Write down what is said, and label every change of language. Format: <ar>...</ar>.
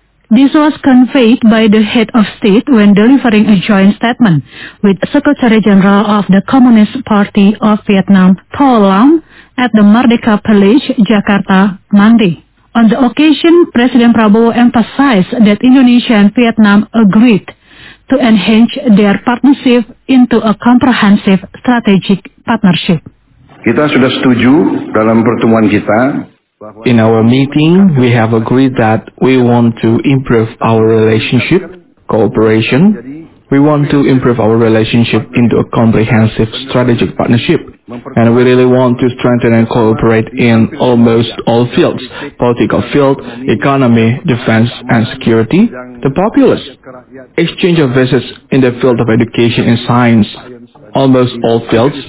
<en>This was conveyed by the head of state when delivering a joint statement with Secretary General of the Communist Party of Vietnam, Tho Lam, at the Merdeka Palace, Jakarta, Monday. On the occasion, President Prabowo emphasized that Indonesia and Vietnam agreed to enhance their partnership into a comprehensive strategic partnership.</en> <id>Kita sudah setuju dalam pertemuan kita.</id> <en>In our meeting, we have agreed that we want to improve our relationship, cooperation. We want to improve our relationship into a comprehensive strategic partnership. And we really want to strengthen and cooperate in almost all fields, political field, economy, defense and security, the populace, exchange of visits in the field of education and science, almost all fields.</en>